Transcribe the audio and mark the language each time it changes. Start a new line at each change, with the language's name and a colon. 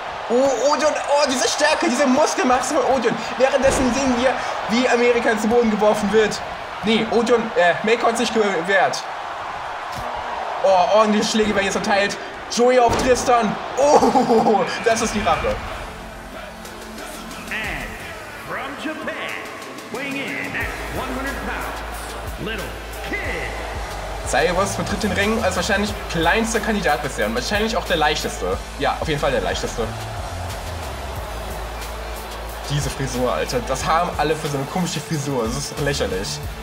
German: Odeon, diese Stärke, diese Muskelmasse von Odeon. Währenddessen sehen wir, wie Amerika ins Boden geworfen wird. Nee, Odeon, Mako hat sich gewehrt. Oh, ordentliche Schläge werden jetzt verteilt. Joey auf Tristan. Oh, das ist die Rache.
English: And from Japan, weighing in at 100 pounds, little
German: Cyrus betritt den Ring als wahrscheinlich kleinster Kandidat bisher und wahrscheinlich auch der leichteste. Ja, auf jeden Fall der leichteste. Diese Frisur, Alter, das haben alle für so eine komische Frisur, das ist lächerlich.